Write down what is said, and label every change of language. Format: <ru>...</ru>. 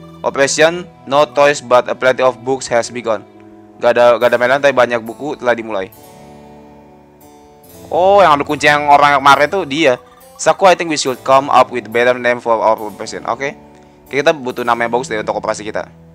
<en>Operation, no toys but a plenty of books has begun.</en> <id>Gak ada mainan, tapi banyak buku telah dimulai. Oh, yang ada kunci yang orang kemarin tuh, dia.</id> <en>Saku, I think we should come up with better name for our operation, okay?</en> <id>Kita butuh nama yang bagus deh untuk operasi kita.</id>